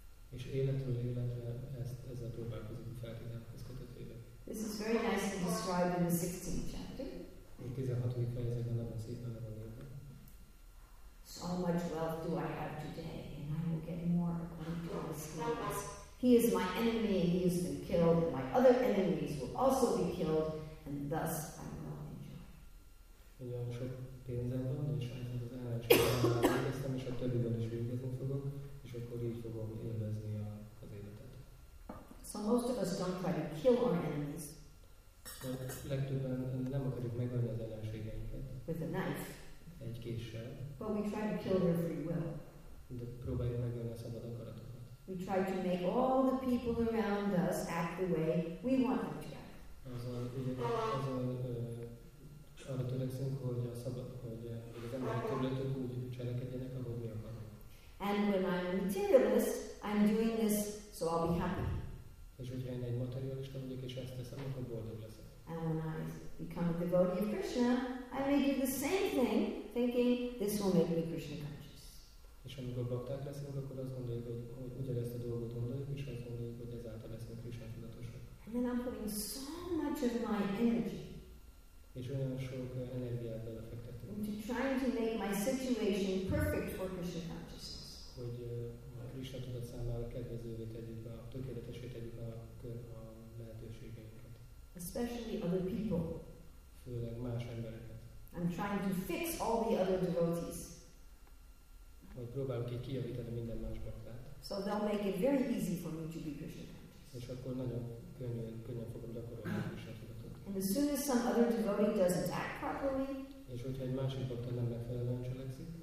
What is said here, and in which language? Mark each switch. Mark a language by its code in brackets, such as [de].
[hu] És életről életre ez a próbálkozó feltételhez kötött élet. [en] This is very nicely described in the 16th chapter. [hu] 16. fejezetben nagyon szépen van írva. [en] So much wealth do I have today, and I will get more according to my skills. He is my enemy, and he has been killed, and my other enemies will also be killed, and thus I will not enjoy. [hu] Nagyon sok pénzem van, és ez az ellenségemmel végeztem, és a többivel is végezni fogok. És akkor így fogom élvezni az életet. [en] So most of us don't try to kill our enemies. [hu] Legtöbben nem akarjuk megölni az ellenségeinket. [en] With a knife. [hu] Egy késsel. [en] But we try to kill their free will. [hu] De próbáljuk megölni a szabad akaratokat. [en] We try to make all the people around us act the way we want them to act. [hu] Arra törekszünk, hogy a szabad, hogy az emberi területek úgy cselekedjenek, ahogy mi akarunk. [en] And when I'm a materialist, I'm doing this so I'll be happy. [hu] És hogyha én egy materialista vagyok és ezt teszem, akkor boldog leszek. [en] And when I become a devotee of Krishna, I may do the same thing, thinking this will make me Krishna conscious. [hu] És amikor bakták leszünk, akkor azt gondoljuk, hogy ugyanezt a dolgot gondoljuk, és azt gondoljuk, hogy ezáltal leszünk Krishna tudatosak. [en] And then I'm putting so much of my energy. [hu] És olyan sok energiát belefektetünk. [en] Into trying to make my situation perfect for Krishna consciousness. [hu] Hogy a Krishna tudat számára kedvezővé tegyük, a tökéletesé tegyük a lehetőségeinket. [en] Especially other people. [hu] Főleg más embereket. [en] I'm trying to fix all the other devotees. [hu] Hogy próbálok így kijavítani minden más baktát. [en] So they'll make it very easy for me to be Krishna conscious. [hu] És akkor nagyon könnyen fogom gyakorolni a Krishna tudatot. [en] And as soon as some other devotee doesn't act properly, [hu] és hogyha egy másik bakta nem megfelelően cselekszik,